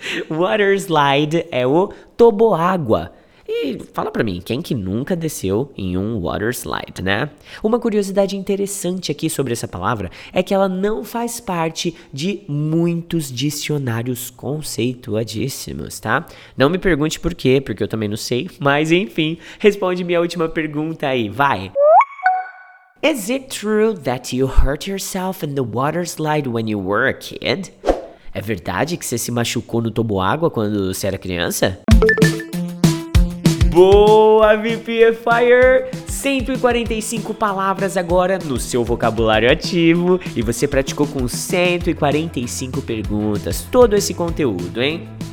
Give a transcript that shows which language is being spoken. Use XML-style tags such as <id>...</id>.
<pt>Water slide é o toboágua. E fala pra mim, quem que nunca desceu em um water slide, né? Uma curiosidade interessante aqui sobre essa palavra é que ela não faz parte de muitos dicionários conceituadíssimos, tá? Não me pergunte por quê, porque eu também não sei, mas enfim, responde minha última pergunta aí, vai!</pt> <en>Is it true that you hurt yourself in the water slide when you were a kid?</en> <pt>É verdade que você se machucou no toboágua quando você era criança? Boa, VPFire! 145 palavras agora no seu vocabulário ativo e você praticou com 145 perguntas todo esse conteúdo, hein?</pt>